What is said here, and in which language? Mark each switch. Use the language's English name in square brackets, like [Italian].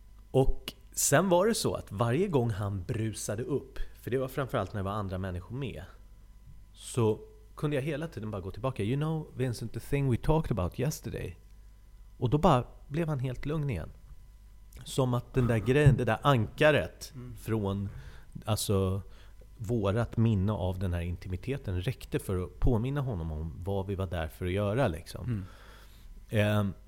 [Swedish] Och sen var det så att varje gång han brusade upp, för det var framförallt när det var andra människor med, så kunde jag hela tiden bara gå tillbaka. [English] You know, Vincent, the thing we talked about yesterday. [Swedish] Och då bara blev han helt lugn igen. Som att den där grejen, det där ankaret från alltså vårat minne av den här intimiteten räckte för att påminna honom om vad vi var där för att göra. Liksom. Mm.